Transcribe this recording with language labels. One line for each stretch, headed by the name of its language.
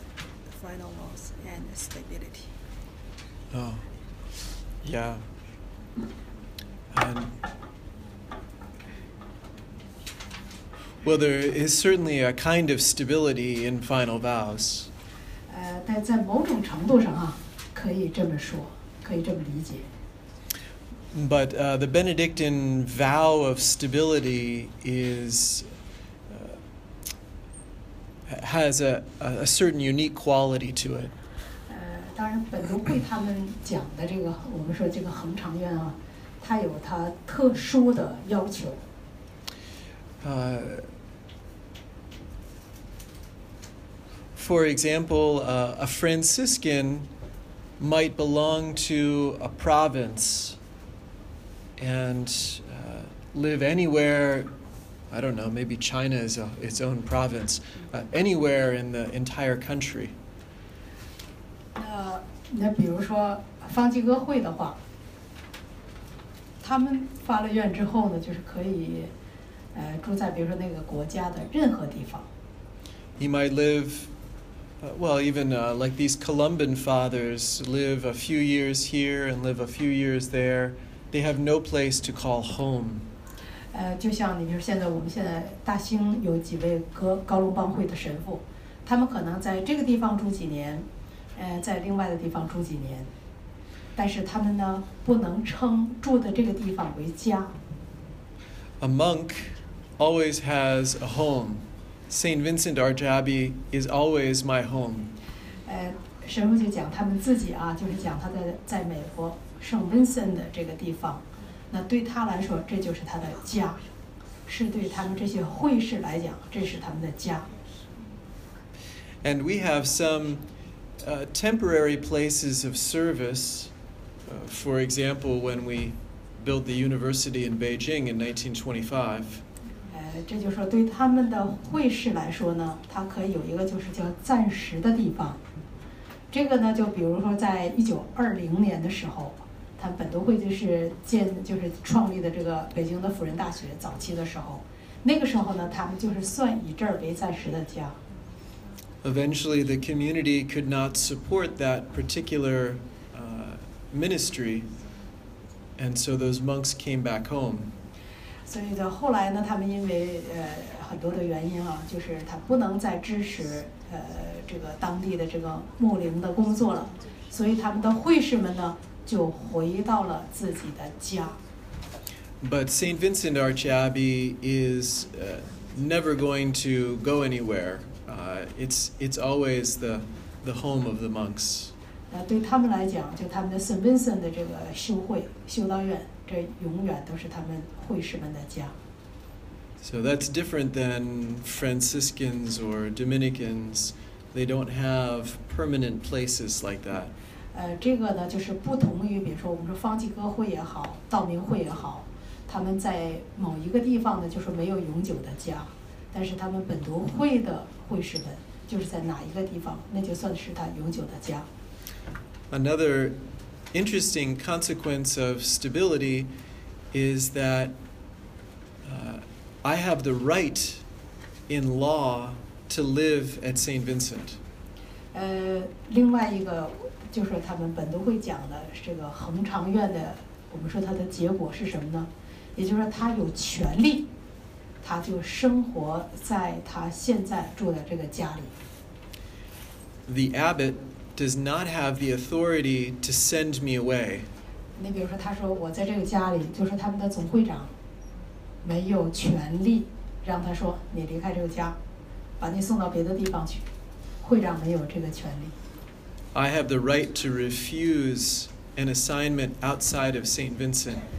English: The final walls and the stability. Oh, yeah. And well, there is certainly a kind of stability in final vows.
Chinese: 但在某种程度上啊。可以这么说，可以这么理解。
English: But the Benedictine vow of stability is has a certain unique quality to it.
Chinese: 当然，本笃会他们讲的这个，我们说这个恒长愿啊，它有它特殊的要求。
English: For example, a Franciscan. Might belong to a province and live anywhere, I don't know, maybe China is its own province, anywhere in the entire country.
Chinese: 那比如说方济哥会的话，他们发了愿之后呢，就是可以住在比如说那个国家的任何地方。
English: He might live, well, even like these Columban fathers live a few years here and live a few years there. They have no place to call home.
Chinese: 就像你比如现在我们现在大兴有几位高卢邦会的神父，他们可能在这个地方住几年，在另外的地方住几年，但是他们呢不能称住的这个地方为家。
English: A monk always has a home. Saint Vincent Arjabi is always my home.
Chinese: 神父就讲他们自己啊，就是讲他在美国圣温森的这个地方，那对他来说这就是他的家，是对他们这些会士来讲这是他们的家。
English: And we have some temporary places of service. For example, when we built the university in Beijing in 1925.
Chinese: 这就是说对他们的会士来说呢，他可以有一个就是叫暂时的地方。这个呢，就比如说在1920年的时候，他本都会就是创立的这个北京的辅仁大学早期的时候，那个时候呢，他们就是算以这儿为暂时的家。
English: Eventually, the community could not support that particular ministry, and so those monks came back home.
Chinese: 所以在后来呢，他们因为很多的原因啊，就是他不能再支持这个当地的这个牧灵的工作了，所以他们的会士们呢就回到了自己的家。
English: But Saint Vincent Arjabi is never going to go anywhere. It's always the home of the monks.
Chinese: 对他们来讲，就他们的 Saint Vincent 的这个修会修道院，这永远都是他们会士们的家。
English: So that's different than Franciscans or Dominicans. They don't have permanent places like that.
Chinese: 这个呢，就是不同于比如说我们说方济各会也好，道明会也好，他们在某一个地方呢，就是没有永久的家。但是他们本笃会的会士们，就是在哪一个地方，那就算是他永久的家。
English: Another interesting consequence of stability is that I have the right in law to live at Saint Vincent.
Chinese: 另外一个就是他们本笃会讲的这个恒长院的，我们说它的结果是什么呢？也就是说，他有权利。他就生活在他现在住的这个家里。 The abbot does not have the authority to send me away. 你比如说，他说我在这个家里，就是他们的总会长没有权利让他说你离开这个家，把你送到别的地方去。会长没有这个权利。
English: I have the right to refuse an assignment outside of Saint Vincent.